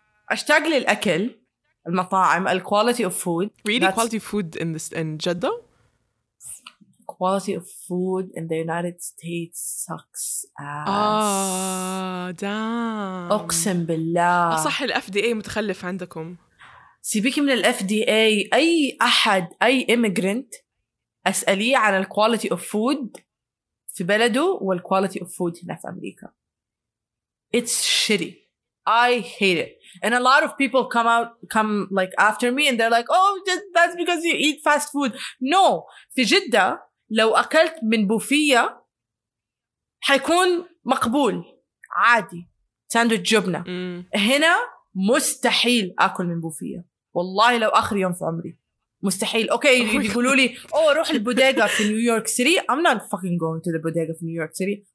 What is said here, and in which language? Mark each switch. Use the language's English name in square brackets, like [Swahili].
[Arabic] أشتاق للأكل, المطاعم, ال [English] quality of food. Really, that's... quality food in Jeddah? Quality of food in the United States sucks ass. Damn. [Arabic] أقسم بالله. صح الـ FDA متخلف عندكم. سيبيكي من الـ FDA أي أحد أي immigrant أسأليه عن الـ [English] quality of food [Arabic] في بلده والـ quality of food هنا في أمريكا. [English] It's shitty. I hate it. And a lot of people come like after me and they're like, oh, just, that's because you eat fast food. No. [Arabic] في جدة لو أكلت من بوفية حيكون مقبول عادي ساندويتش جبنة هنا مستحيل أكل من بوفية والله لو آخر يوم في عمري مستحيل. اوكي يقولوا لي او روح البوديجا في نيويورك سيتي, [English] I'm not fucking going to the bodega [Arabic] في نيويورك سيتي.